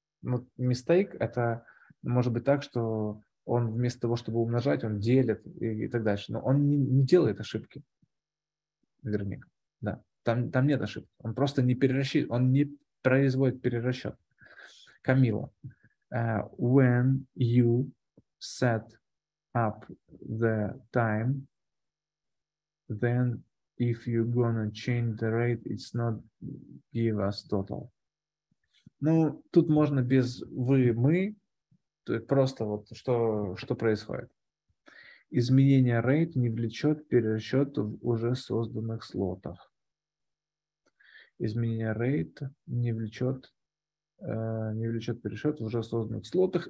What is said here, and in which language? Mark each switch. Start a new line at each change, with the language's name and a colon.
Russian: Но mistake – это может быть так, что он вместо того, чтобы умножать, он делит и так дальше. Но он не делает ошибки. Вероника, да. Там нет ошибки. Он просто не перерасчитывает, он не производит перерасчет. Камила.
English: When you set up the time, then if you're gonna change the rate, it's not give us total.
Russian: Ну, тут можно без вы, мы, то есть просто вот что происходит. Изменение rate не влечет перерасчет в уже созданных слотах. Изменение rate не влечет перерасчет в уже созданных слотах.